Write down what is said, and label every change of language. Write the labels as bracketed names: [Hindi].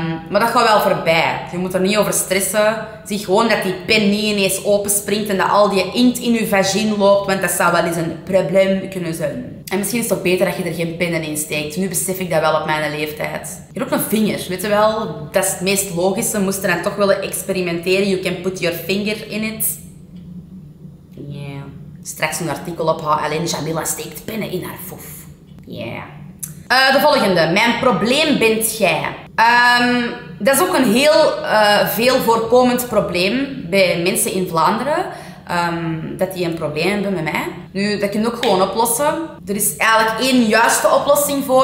[Dutch] Maar dat gaat wel voorbij. Je moet er niet over stressen. Zie gewoon dat die pen niet ineens openspringt en dat al die inkt in je vagina loopt, want dat zou wel eens een probleem kunnen zijn. En misschien is het ook beter dat je er geen pennen in steekt. Nu besef ik dat wel op mijn leeftijd. Hier ook een vinger, weet je wel? Dat is het meest logische. Moest je dan toch willen experimenteren. [English] You can put your finger in it. Yeah. [Dutch] Straks een artikel ophouden. Alleen Jamila steekt pennen in haar foef. Yeah. De volgende. Mijn probleem bent jij. Dat is ook een heel veel voorkomend probleem bij mensen in Vlaanderen. Dat die een probleem hebben met mij. Nu, dat kun je ook gewoon oplossen. Er is eigenlijk één juiste oplossing voor.